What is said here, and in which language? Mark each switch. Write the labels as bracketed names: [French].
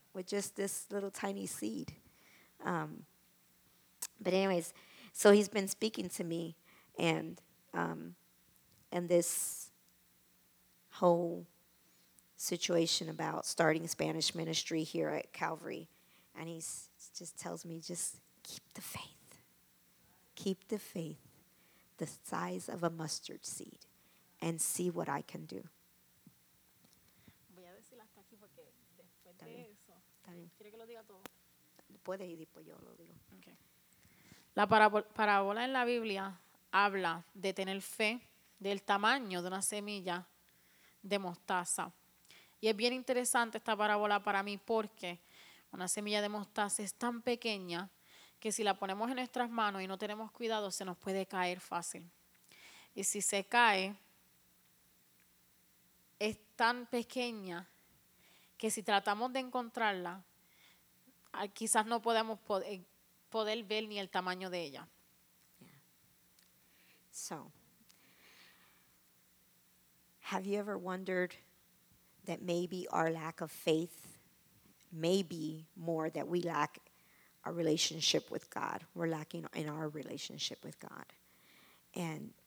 [English] With just this little tiny seed. But anyways, so he's been speaking to me and this whole situation about starting Spanish ministry here at Calvary. And he just tells me, just keep the faith. Keep the faith the size of a mustard seed and see what I can do. [Spanish] Voy a decir hasta aquí porque después de eso, ¿quiere que lo diga todo? Puede ir y después yo lo digo. [English] Okay. [Spanish] La parábola en la Biblia habla de tener fe del tamaño de una semilla de mostaza. Y es bien interesante esta parábola para mí porque una semilla de mostaza es tan pequeña que si la ponemos en nuestras manos y no tenemos cuidado, se nos puede caer fácil. Y si se cae, es tan pequeña que si tratamos de encontrarla, quizás no podemos poder ver ni el tamaño de ella. [English] Yeah. So, have you ever wondered that maybe our lack of faith may be more that we lack our relationship with God. We're lacking in our relationship with God.